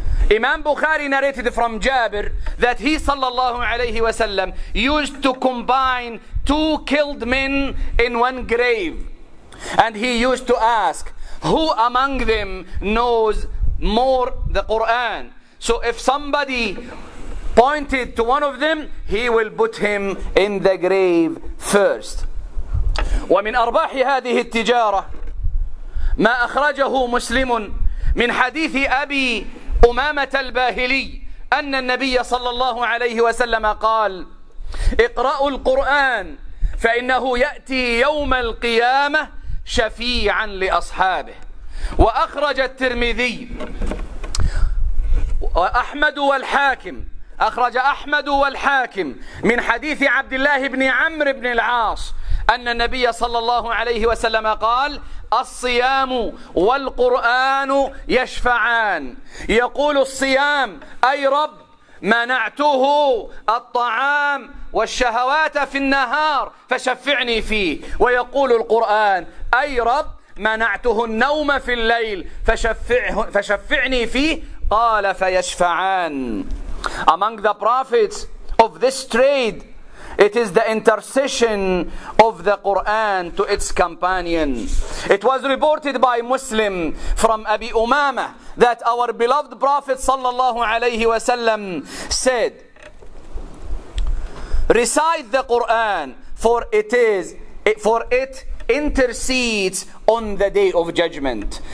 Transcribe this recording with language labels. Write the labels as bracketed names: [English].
[English] Imam Bukhari narrated from Jabir that he sallallahu alayhi wa sallam used to combine two killed men in one grave. And he used to ask, who among them knows more the Quran? So if somebody pointed to one of them, he will put him in the grave first. [Arabic] ومن أرباح هذه التجارة ما أخرجه مسلم من حديث أبي أمامة الباهلي أن النبي صلى الله عليه وسلم قال: اقرأوا القرآن فإنه يأتي يوم القيامة شفيعا لأصحابه. وأخرج الترمذي وأحمد والحاكم أخرج أحمد والحاكم من حديث عبد الله بن عمرو بن العاص أن النبي صلى الله عليه وسلم قال: الصيام والقرآن يشفعان. يقول الصيام: أي رب، منعته الطعام والشهوات في النهار فشفعني فيه. ويقول القرآن: أي رب، منعته النوم في الليل فشفعني فيه. قال: فيشفعان. [English] Among the prophets of this trade, it is the intercession of the Quran to its companion. It was reported by Muslim from Abi Umama that our beloved Prophet sallallahu alayhi wa sallam said, recite the Quran for it intercedes on the day of judgment.